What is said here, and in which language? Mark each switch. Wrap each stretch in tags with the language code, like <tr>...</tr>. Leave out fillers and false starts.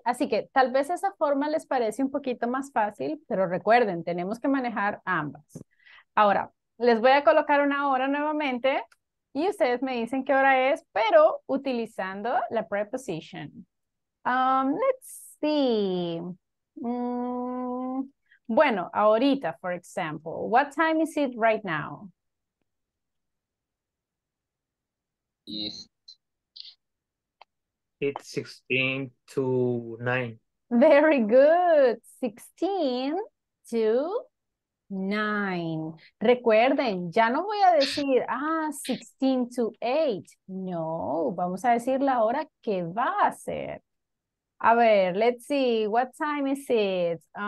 <es>Así que tal vez esa forma les parece un poquito más fácil, pero recuerden, tenemos que manejar ambas. Ahora, les voy a colocar una hora nuevamente y ustedes me dicen qué hora es, pero utilizando la preposition.</es> <en>Let's see.</en> <es>Bueno, ahorita,</es> <en>for example, what time is it right now? It's 16:09. Very good. 16 to</en> <es>9. Recuerden, ya no voy a decir, 16 to 8. No, vamos a decir la hora que va a ser. A ver,</es> <en>let's see, what time is it?</en>